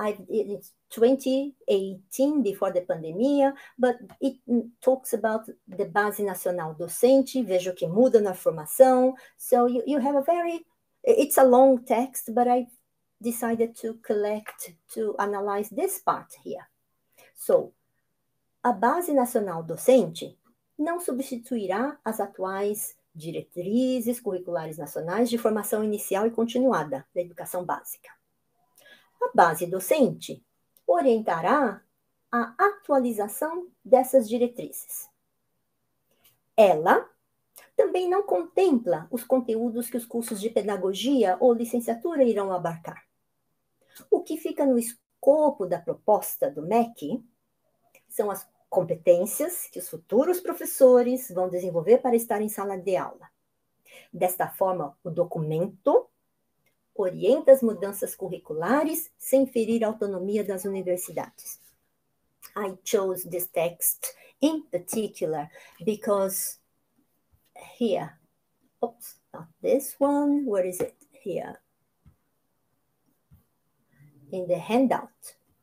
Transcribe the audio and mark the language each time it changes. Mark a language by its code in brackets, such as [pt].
[en] It's 2018, before the pandemia, but it talks about the Base Nacional Docente, [pt] Vejo que Muda na Formação. [en] So you have a very, it's a long text, but I decided to collect, to analyze this part here. [pt] So, a Base Nacional Docente não substituirá as atuais diretrizes curriculares nacionais de formação inicial e continuada da educação básica. A base docente orientará a atualização dessas diretrizes. Ela também não contempla os conteúdos que os cursos de pedagogia ou licenciatura irão abarcar. O que fica no escopo da proposta do MEC são as competências que os futuros professores vão desenvolver para estar em sala de aula. Desta forma, o documento orienta as mudanças curriculares sem ferir a autonomia das universidades. [en] I chose this text in particular because here, oops, not this one, where is it? Here, in the handout.